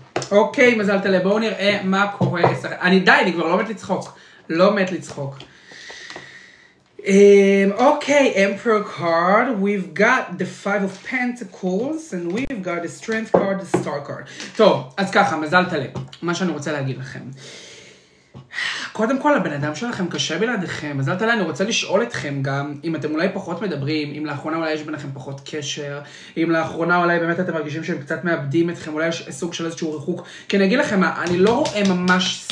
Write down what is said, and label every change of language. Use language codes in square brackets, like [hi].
[he] אוקיי, מזל תלה, בואו נראה מה קורה. אני די, אני כבר לא מת לצחוק. לא מת לצחוק. [en] אוקיי, Emperor card. We've got the five of pentacles and we've got the strength card, the star card. [he] טוב, אז ככה, מזל תלה. מה שאני רוצה להגיד לכם. קודם כל, הבן אדם שלכם קשה בלעדיכם. מזל תלה, אני רוצה לשאול אתכם גם, אם אתם אולי פחות מדברים, אם לאחרונה אולי יש ביניכם פחות קשר, אם לאחרונה אולי באמת אתם מרגישים שהם קצת מאבדים אתכם, אולי יש סוג של איזשהו ריחוק. כי אני אגיד לכם מה, אני לא רואה ממש